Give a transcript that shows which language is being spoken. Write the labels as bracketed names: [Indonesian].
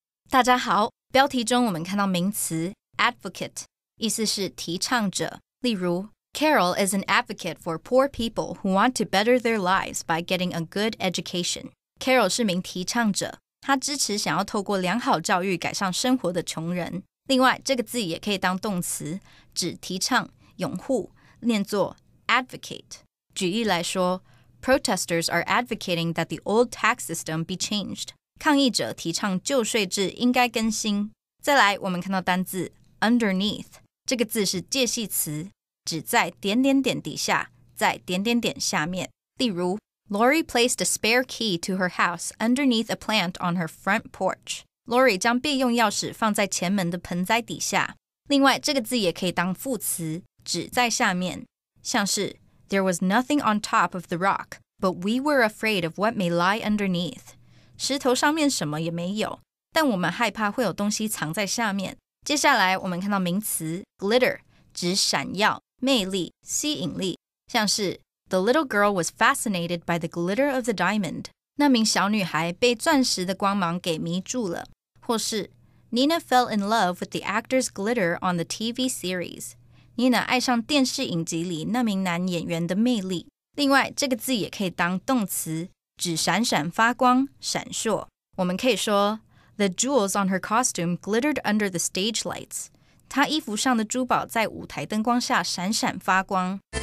[Chinese] 大家好，标题中我们看到名词Advocate, 意思是提倡者。例如 [English] Carol is an advocate for poor people who want to better their lives by getting a good education. [Chinese] Carol 是名提倡者，她支持想要透过良好教育改善生活的穷人。另外，这个字也可以当动词，指提倡、拥护，念作 advocate。举例来说 [English] ,protesters are advocating that the old tax system be changed. [Chinese] 抗议者提倡旧税制应该更新。再来，我们看到单字underneath, 这个字是介系词,指在点点点底下,在点点点下面。例如, [English] Lori placed a spare key to her house underneath a plant on her front porch. [Chinese] Lori 将备用钥匙放在前门的盆栽底下。另外,这个字也可以当副词,指在下面。像是, [English] There was nothing on top of the rock, but we were afraid of what may lie underneath. [Chinese] 石头上面什么也没有,但我们害怕会有东西藏在下面。接下来我们看到名词 glitter, 指闪耀、魅力、吸引力。像是 [English] The little girl was fascinated by the glitter of the diamond. [Chinese] 那名小女孩被钻石的光芒给迷住了。或是 [English] Nina fell in love with the actor's glitter on the TV series. [Chinese] Nina 爱上电视影集里那名男演员的魅力。另外这个字也可以当动词，指闪闪发光、闪烁。我们可以说 [English] The jewels on her costume glittered under the stage lights. [Chinese] 她衣服上的珠宝在舞台灯光下闪闪发光。